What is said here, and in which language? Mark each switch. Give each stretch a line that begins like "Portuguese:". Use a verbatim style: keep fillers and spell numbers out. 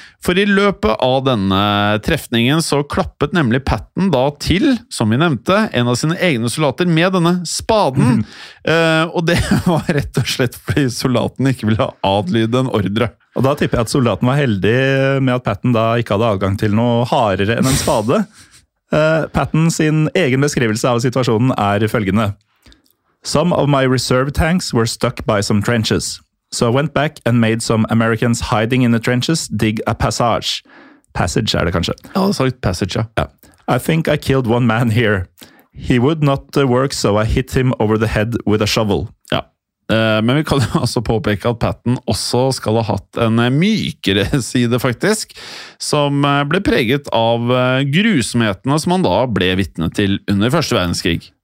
Norwegian: For i løpet av denne trefningen så klappet nemlig Patton da til, som vi nevnte, en av sine egne soldater med denne spaden. Mm. Uh, og det var rett og slett fordi soldaten ikke ville adlyde en ordre. Og da tipper jeg at soldaten var heldig med at Patton da ikke hadde adgang til noe hardere enn en spade. Uh, Patton sin egen beskrivelse av situasjonen er følgende.
English: Some of my reserve tanks were stuck by some trenches. So I went back and made some Americans hiding in the trenches dig a passage.
Norwegian: Passage er det kanskje. Ja, det sa litt passage, ja. Yeah.
English: I think I killed one man here. He would not work, so I hit him over the head with a shovel. Ja.
Norwegian: Men vi kan altså påpeke at Patton også skal ha hatt en mykere side, faktisk, som ble preget av grusomhetene som han da ble vittne til under første verdenskrig.